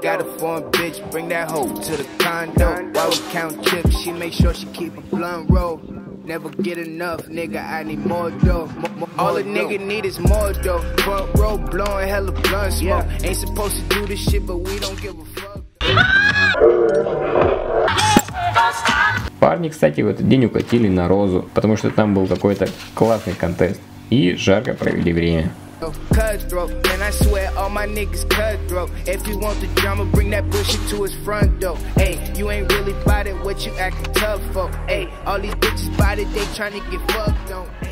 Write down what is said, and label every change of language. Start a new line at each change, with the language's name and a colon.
English: Got a foreign bitch, bring that hoe to the condo. While we count chips, she make sure she keep a blunt roll. Never get enough, nigga, I need more dough. All a nigga need is more dough. Front row blowing hella blunt smoke. Ain't supposed to do this shit, but we don't give a fuck.
Russian: Парни, кстати, в этот день укатили на Розу, потому что там был какой-то классный контест. И жарко провели время.
English: cutthroat. Man, I swear all my niggas cutthroat. If you want the drama, bring that bullshit to his front door. Ayy, you ain't really bout it, what you acting tough for? Ayy, all these bitches bout it, they tryna get fucked on.